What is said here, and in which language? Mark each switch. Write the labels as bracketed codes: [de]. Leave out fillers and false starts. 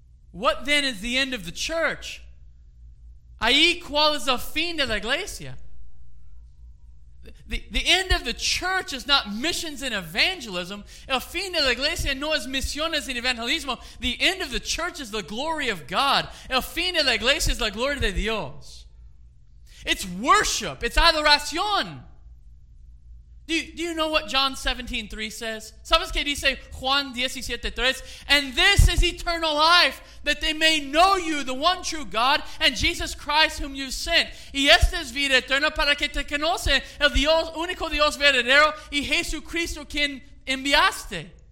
[en] What then is the end of the church? [es] ¿Ahí cuál es el fin de la iglesia? [en] The end of the church is not missions and evangelism. [es] El fin de la iglesia no es misiones y evangelismo. [en] The end of the church is the glory of God. [es] El fin de la iglesia es la gloria de Dios. [en] It's worship. It's adoración. Do you know what John 17:3 says? [es] ¿Sabes qué dice Juan 17:3? [en] And this is eternal life, that they may know you, the one true God, and Jesus Christ whom you sent. [es] Y esta es vida eterna para que te conocen el Dios, único Dios verdadero, y Jesucristo quien enviaste.